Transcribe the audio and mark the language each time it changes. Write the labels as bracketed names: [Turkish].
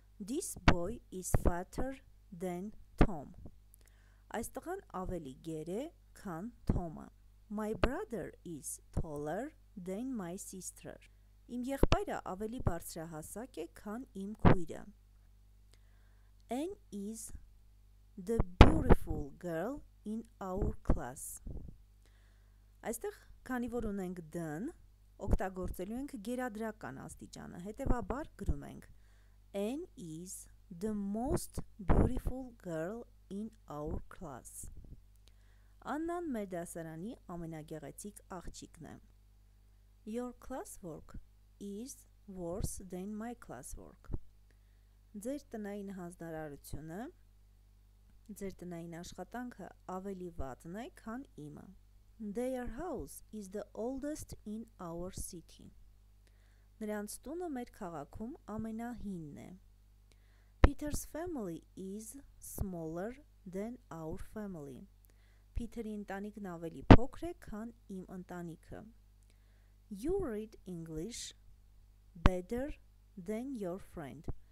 [English] This boy is fatter than Tom. [Armenian] Այս տղան ավելի գեր է, քան Թոմը. [English] My brother is taller than my sister. [Armenian] Իմ եղբայրը ավելի բարձրահասակ է, քան իմ քույրը. [English] N is the beautiful girl in our class. [Armenian] Այստեղ, քանի որ ունենք D-ն, օգտագործելու ենք գերադրական աստիճանը, հետևաբար գրում ենք. [English] N is the most beautiful girl in our class. [Armenian] Աննան մեր դասարանի ամենագեղեցիկ աղջիկն է. [English] Your classwork is worse than my classwork. [Armenian] Ձեր տնային հանձնարարությունը, ձեր տնային աշխատանքը ավելի վատն է, քան իմը. [English] Their house is the oldest in our city. [Armenian] Նրանց տունը մեր քաղաքում ամենահինն է. [English] Peter's family is smaller than our family. [Armenian] Peter-ի ընտանիքն ավելի փոքր է, քան իմ ընտանիքը. [English] You read English better than your friend.